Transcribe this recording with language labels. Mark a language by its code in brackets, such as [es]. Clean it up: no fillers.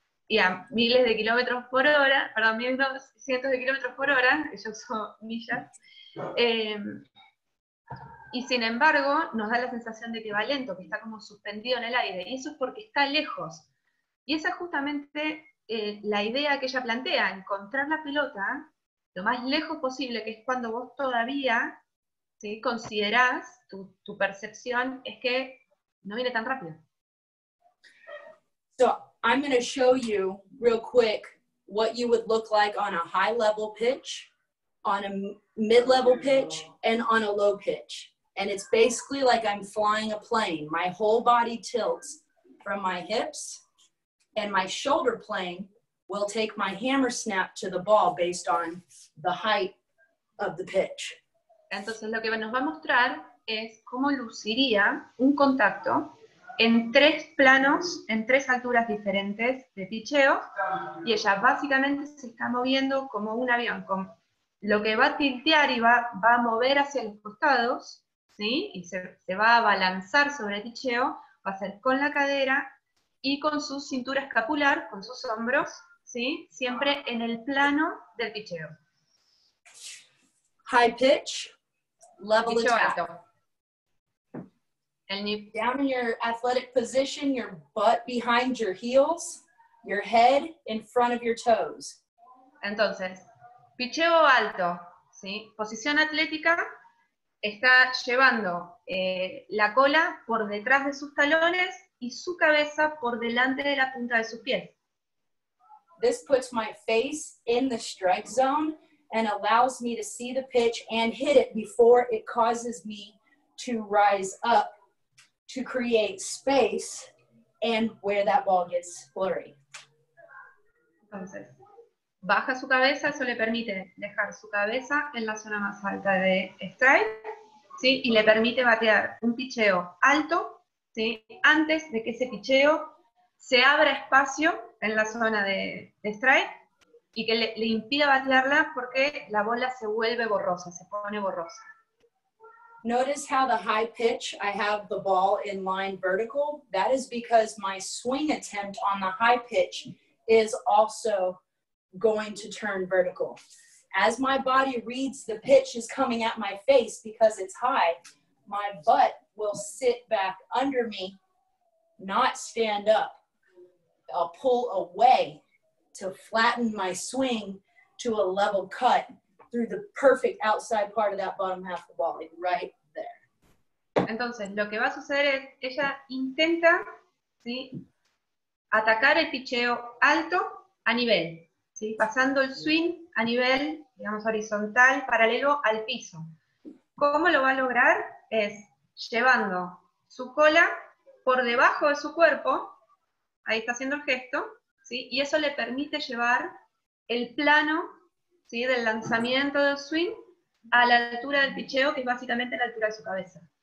[es] y a miles de kilómetros por hora, perdón, miles, cientos de kilómetros por hora, yo uso millas, y sin embargo nos da la sensación de que va lento, que está como suspendido en el aire, y eso es porque está lejos. Y esa es justamente la idea que ella plantea, encontrar la pelota lo más lejos posible, que es cuando vos todavía, ¿sí?, considerás, tu percepción es que no viene tan rápido. [en] So I'm going to show you real quick what you would look like on a high level pitch, on a mid-level pitch, and on a low pitch. And it's basically like I'm flying a plane. My whole body tilts from my hips, and my shoulder plane will take my hammer snap to the ball based on the height of the pitch. [es] Entonces lo que nos va a mostrar es cómo luciría un contacto en tres planos, en tres alturas diferentes de picheo, y ella básicamente se está moviendo como un avión, con lo que va a tiltear y va a mover hacia los costados, ¿sí? Y se va a balanzar sobre el picheo, va a ser con la cadera y con su cintura escapular, con sus hombros, ¿sí? Siempre en el plano del picheo. [en] High pitch, level picheo attack. [es] Alto. [en] And you down in your athletic position, your butt behind your heels, your head in front of your toes. [es] Entonces, picheo alto, ¿sí? Posición atlética, está llevando la cola por detrás de sus talones y su cabeza por delante de la punta de sus pies. [en] This puts my face in the strike zone and allows me to see the pitch and hit it before it causes me to rise up to create space and where that ball gets blurry. [es] Entonces, baja su cabeza, eso le permite dejar su cabeza en la zona más alta de strike, ¿sí? Y le permite batear un picheo alto, ¿sí? Antes de que ese picheo se abra espacio en la zona de strike y que le impida batearla porque la bola se vuelve borrosa, se pone borrosa. [en] Notice how the high pitch, I have the ball in line vertical. That is because my swing attempt on the high pitch is also going to turn vertical. As my body reads the pitch is coming at my face because it's high, my butt will sit back under me, not stand up. I'll pull away to flatten my swing to a level cut through the perfect outside part of that bottom half of the ball, like right. [es] Entonces, lo que va a suceder es, ella intenta, ¿sí?, atacar el picheo alto a nivel, ¿sí?, pasando el swing a nivel, digamos, horizontal, paralelo al piso. ¿Cómo lo va a lograr? Es llevando su cola por debajo de su cuerpo, ahí está haciendo el gesto, ¿sí?, y eso le permite llevar el plano, ¿sí?, del lanzamiento del swing a la altura del picheo, que es básicamente la altura de su cabeza.